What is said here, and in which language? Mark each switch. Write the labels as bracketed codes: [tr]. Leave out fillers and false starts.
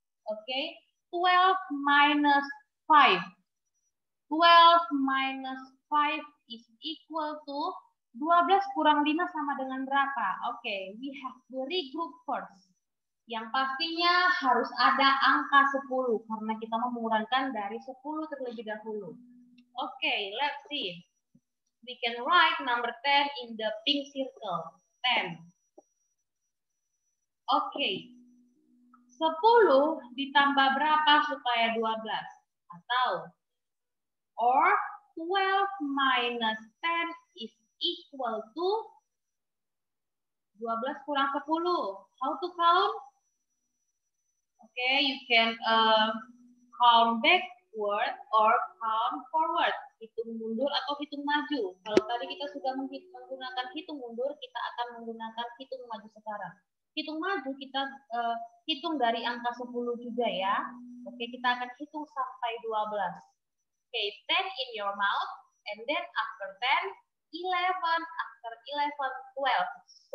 [en] Okay, 12 minus 5. 12 minus 5 is equal to [id] 12 kurang 5 sama dengan berapa? [en] Okay, we have to regroup first. [id] Yang pastinya harus ada angka 10 karena kita mengurangkan dari 10 terlebih dahulu. [en] Okay, let's see. We can write number 10 in the pink circle. 10. Okay. [id] 10 ditambah berapa supaya 12? Atau? [en] Or 12 minus 10 is equal to [id] 12 kurang 10. [en] How to count? Okay, you can count backward or count forward. [id] Hitung mundur atau hitung maju. Kalau tadi kita sudah menggunakan hitung mundur, kita akan menggunakan hitung maju sekarang. Hitung maju kita hitung dari angka 10 juga ya. Okay, kita akan hitung sampai 12. [en] Okay, 10 in your mouth, and then after 10, 11, after 11, 12.